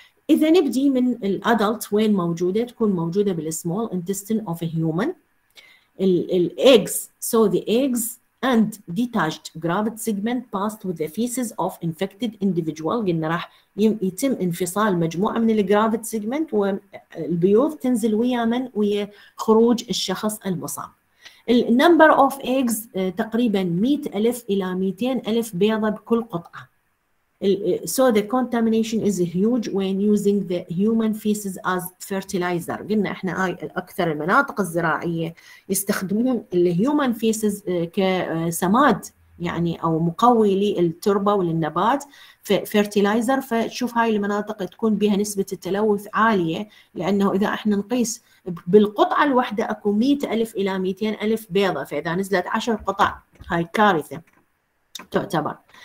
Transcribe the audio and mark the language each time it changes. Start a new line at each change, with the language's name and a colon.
Arabic: إذا نبدي من الأدلت وين موجودة، تكون موجودة بالسمول انتستين
English: of a human. الـ eggs, so the eggs and detached gravid segment passed with the feces of infected individual.
Arabic: قلنا راح يتم انفصال مجموعة من الجرافيد segment والبيوض تنزل ويا من ويا خروج الشخص المصاب. النمبر اوف ايجز تقريبا 100,000 الى 200,000 بيضه بكل قطعه.
English: So the contamination is huge when using the human feces as fertilizer.
Arabic: قلنا احنا اكثر المناطق الزراعيه يستخدمون الهيومن فيسز كسماد يعني او مقوي للتربه وللنبات فيرتيلايزر. فشوف هاي المناطق تكون بها نسبه التلوث عاليه، لانه اذا احنا نقيس بالقطعه الواحده اكو 100,000 الى 200,000 بيضه، فاذا نزلت 10 قطع هاي كارثه تعتبر.